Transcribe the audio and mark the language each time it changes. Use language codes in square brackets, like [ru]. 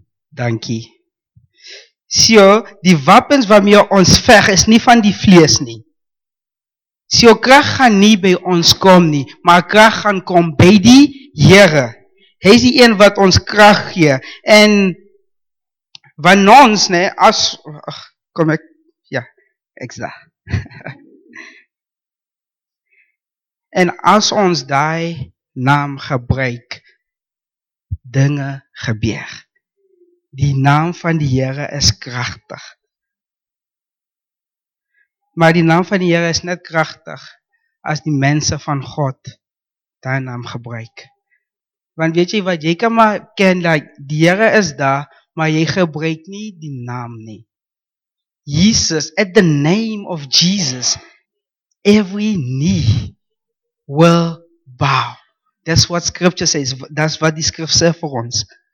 [af] Dankie. So, die wapens waarmee ons veg is nie van die vlees nie. So, krag gaan nie by ons kom nie, maar krag gaan kom by die Here. Hy is die een wat ons krag gee. En van ons, nee, as, ach, kom ek, ja, ek is daar. En as ons die naam gebruik, dinge gebeur. Die naam van die Here is kragtig. Maar die naam van die Here is net kragtig as die mense van God daai naam gebruik. Want weet jy wat, jy kan maar ken dat die Here is daar, maar jy gebruik nie die naam nie. [en] Jesus, at the name of Jesus, every knee will bow. That's what scripture says, that's what [af] die skrif sê vir ons.